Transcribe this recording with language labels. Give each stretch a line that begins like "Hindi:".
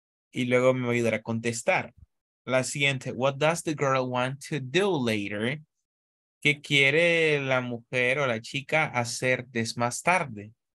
Spanish: Y luego me va a ayudar a contestar. La siguiente.
English: What does the girl want to do later?
Spanish: ¿Qué quiere la mujer o la chica hacer más tarde?